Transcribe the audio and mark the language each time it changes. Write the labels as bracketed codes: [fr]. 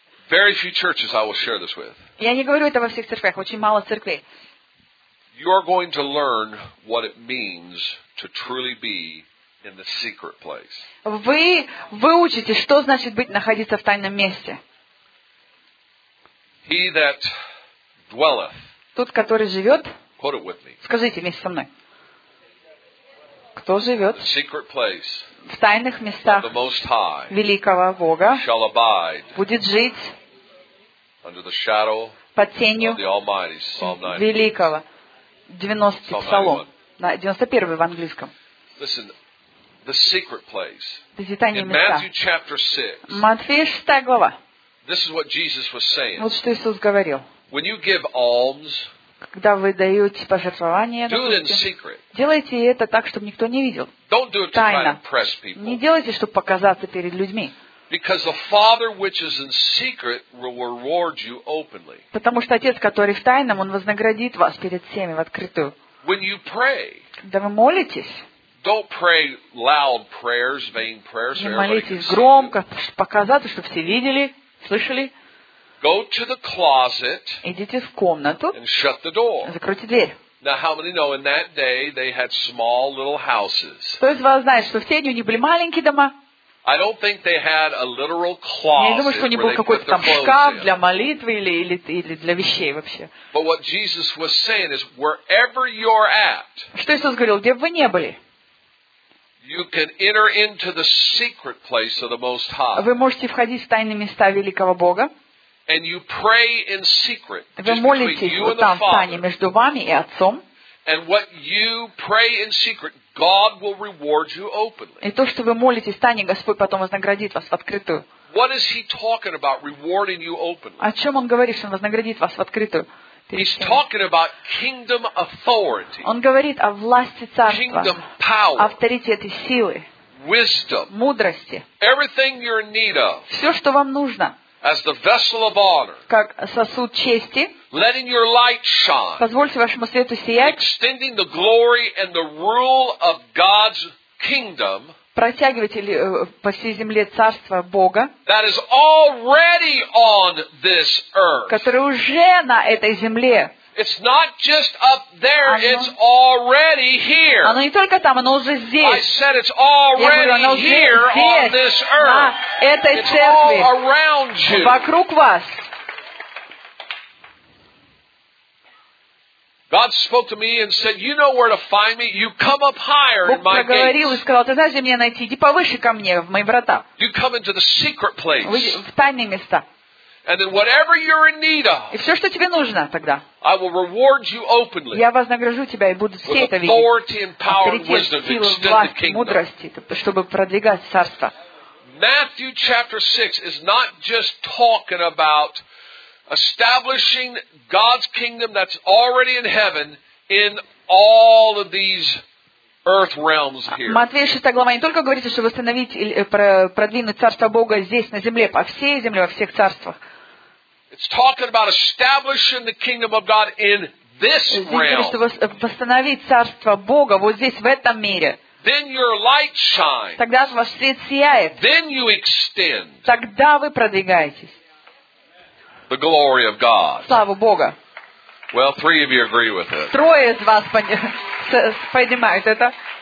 [en] Very few churches I will share this with. [ru] Я не говорю это во всех церквях, очень мало церквей. [en] You are going to learn what it means to truly be in the secret place. [ru] Вы выучите, что значит быть находиться в тайном месте. [en] He that dwelleth. [ru] Тот, который живет. [en] Quote it with me. [ru] Скажите вместе со мной. Кто живет [en] the secret place [ru] в тайных местах [en] the most high [ru] великого Бога [en] shall abide [ru] будет жить [en] under the shadow [ru] под тенью [en] of the Almighty, Psalm 90. [ru] Великого. 90-й псалом. 91-й в английском. [en] Listen, the secret place. [ru] Эти тайные места. [en] Matthew chapter 6. [ru] Матфея 6 глава. [en] This is what Jesus was saying. [ru] Вот что Иисус говорил. [en] When you give alms, [ru] когда вы даете пожертвования, делайте это так, чтобы никто не видел. [en] Don't do it to try and impress people. [ru] Не делайте, чтобы показаться перед людьми. [en] Because the Father which is in secret will reward you openly. [ru] Потому что Отец, который в тайном, Он вознаградит вас перед всеми в открытую. [en] When you pray, [ru] когда вы молитесь, [en] don't pray loud prayers, vain prayers, [ru] не молитесь громко, чтобы показаться, чтобы все видели, слышали. [en] Go to the closet. [ru] Идите в комнату. [en] And shut the door. [ru] Закройте дверь. [en] Now, how many know in that day they had small little houses? [ru] Кто из вас знает, что в те дни у них были маленькие дома? [en] I don't think they had a literal closet. [ru] Я не думаю, что у них был какой-то там шкаф для молитвы или для вещей вообще. [en] But what Jesus was saying is, wherever you're at. [ru] Что Иисус говорил, где бы вы не были? [en] You can enter into the secret place of the Most High. [ru] Вы можете входить в тайные места великого Бога. [en] And you pray in secret. [ru] Вы молитесь вот там в тайне между вами и Отцом. [en] And what you pray in secret, God will reward you openly. [ru] И то, что вы молитесь в тайне, Господь потом вознаградит вас в открытую. [en] What is he talking about rewarding you openly? [ru] О чем он говорит, что он вознаградит вас в открытую? [en] He's talking about kingdom authority. [ru] Он говорит о власти царства. [en] Kingdom power. [ru] Авторитет и силы. [en] Wisdom. [ru] Мудрости. [en] Everything you're in need of. [ru] Все, что вам нужно. [en] As the vessel of honor, [ru] как сосуд чести, [en] letting your light shine, [ru] позвольте вашему свету сиять, [en] extending the glory and the rule of God's kingdom, [ru] протягивайте по всей земле царство Бога, [en] that is already on this earth, [ru] которое уже на этой земле. [en] It's not just up there, it's already here. [ru] Оно не только там, оно уже здесь. [en] I said it's already [ru] говорю, уже [en] here [ru] здесь, [en] on this earth. [ru] На этой [en] it's [ru] церкви. [en] All around you. [ru] Вокруг вас. [en] God spoke to me and said, you know where to find me, you come up higher in my gates. [ru] И сказал, ты знаешь, где меня найти, иди повыше ко мне, в мои врата. [en] You come into the secret place. [ru] Вы в тайные места. [en] And then whatever you're in need of, [ru] и все, что тебе нужно тогда, [en] I will reward you openly, [ru] я вознагражу тебя и буду все это видеть. [en] Authority and power and wisdom, [ru] силу, власть, мудрости, чтобы продвигать царство. [en] Matthew chapter 6 is not just talking about establishing God's kingdom that's already in heaven in all of these earth realms here. [ru] Матфея 6 глава не только говорит, чтобы восстановить или продвинуть царство Бога здесь на земле, по всей земле, во всех царствах. [en] It's talking about establishing the kingdom of God in this realm. [ru] Восстановить царство Бога вот здесь в этом мире. [en] Then your light shines. [ru] Тогда ваш свет сияет. [en] Then you extend. [ru] Тогда вы продвигаетесь. [en] The glory of God. [ru] Слава Богу. [en] Well, three of you agree with it. [ru] Трое из вас понимают это.